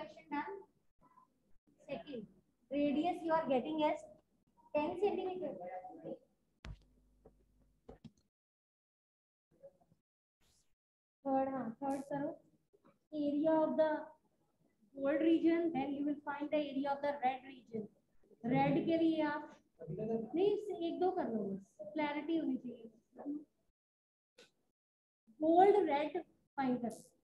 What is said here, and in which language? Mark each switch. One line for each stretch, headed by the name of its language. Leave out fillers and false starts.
English: done. Second, radius you are getting as 10 centimeter. Third sir, area of the gold region, then you will find the area of the red region.
Hindi: Red के लिए आप नहीं एक दो कर लो, बस clarity होनी चाहिए. Gold red find कर.